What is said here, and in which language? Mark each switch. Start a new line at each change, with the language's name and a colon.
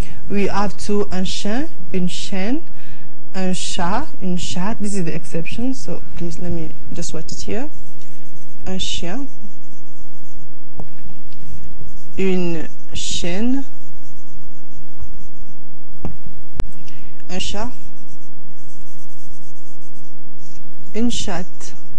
English: We have two:
French: un chien, une chienne, un chat, une chatte.
English: This is the exception, so please let me just write it here.
French: Un chien, une chienne, un chat, une chatte.